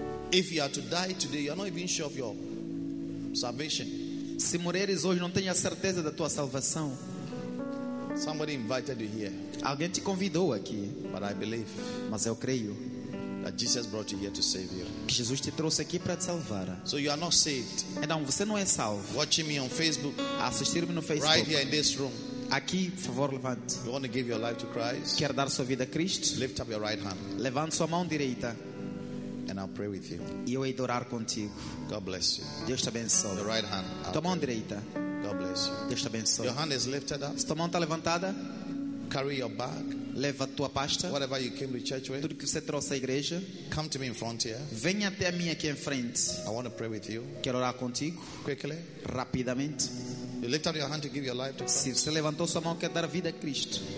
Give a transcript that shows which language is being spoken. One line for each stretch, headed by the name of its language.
English: If you are to die today, you are not even sure of your salvation.
Portuguese: Se morreres hoje, não tenha certeza da tua salvação.
English: Somebody invited you here.
Portuguese: Alguém te convidou aqui.
English: But I believe,
Portuguese: mas eu creio,
English: that Jesus brought you here to save you.
Portuguese: Que Jesus te trouxe aqui para te salvar.
English: So you are not saved.
Portuguese: Então você não é salvo.
English: Watching me on Facebook.
Portuguese: Assistir-me no Facebook.
English: Right here in this room.
Portuguese: Aqui, por favor, levante.
English: You want to give your life to Christ?
Portuguese: Quer dar sua vida a Cristo?
English: Lift up your right hand.
Portuguese: Levante sua mão direita.
English: And I'll pray with you.
Portuguese: E eu irei orar contigo.
English: God bless you.
Portuguese: Deus te abençoe.
English: The right hand.
Portuguese: Tua mão direita.
English: God bless you.
Portuguese: Deus te abençoe.
English: Your hand is lifted up.
Portuguese: Sua mão está levantada.
English: Carry your bag.
Portuguese: Leva tua pasta.
English: Whatever you came to church with.
Portuguese: Tudo que você trouxe à igreja.
English: Come to me in front here.
Portuguese: Venha até a mim aqui em frente.
English: I want to pray with you.
Portuguese: Quero orar contigo.
English: Quickly.
Portuguese: Rapidamente.
English: You lift up your hand to give your life to Christ.
Portuguese: Se você levantou sua mão quer dar vida a Cristo.